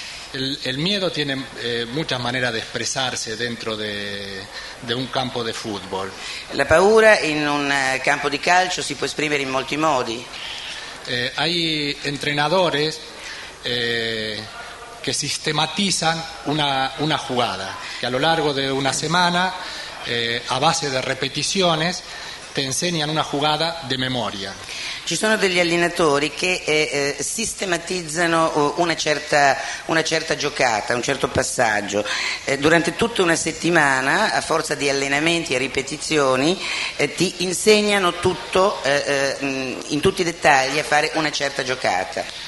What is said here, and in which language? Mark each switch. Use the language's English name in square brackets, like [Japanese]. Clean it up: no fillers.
[Spanish] El miedo tiene muchas maneras de expresarse dentro de un campo de fútbol. [Italian] La paura in un campo di calcio si può esprimere in molti modi. [Spanish] Hay entrenadores que sistematizan una jugada que a lo largo de una semana a base de repeticiones te enseñan una jugada de memoria. [Italian] Ci sono degli allenatori che sistematizzano una certa giocata, un certo passaggio. Durante tutta una settimana, a forza di allenamenti e ripetizioni, ti insegnano tutto in tutti i dettagli a fare una certa giocata.